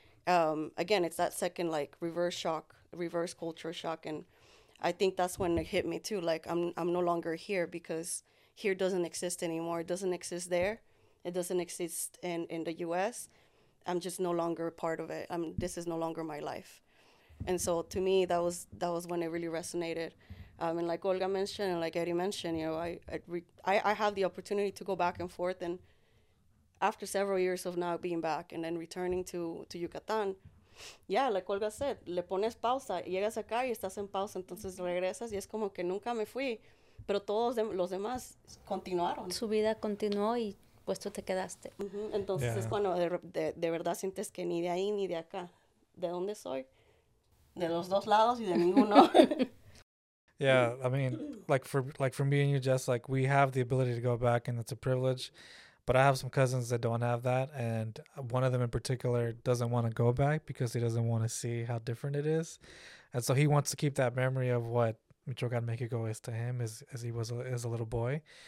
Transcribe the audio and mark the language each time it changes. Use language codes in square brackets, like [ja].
[en] Again, it's that second, like, reverse shock, reverse culture shock, and I think that's when it hit me, too, like, I'm no longer here, because here doesn't exist anymore, it doesn't exist there, it doesn't exist in the U.S., I'm just no longer a part of it, this is no longer my life, and so, to me, that was when it really resonated, and like Olga mentioned, and like Eddie mentioned, you know, I have the opportunity to go back and forth, and after several years of now being back and then returning to Yucatán, yeah, like Olga said, [es] le pones pausa, llegas acá y estás en pausa, entonces regresas y es como que nunca me fui, pero todos los demás continuaron. Su vida continuó y pues tú te quedaste. Entonces yeah. Es cuando de verdad sientes que ni de ahí ni de acá. ¿De dónde soy? De los dos lados y de ninguno. [en] Yeah, I mean, like for me and you, Jess, like we have the ability to go back and it's a privilege. But I have some cousins that don't have that, and one of them in particular doesn't want to go back because he doesn't want to see how different it is. And so he wants to keep that memory of what Michoacán, Mexico is to him as he was as a little boy.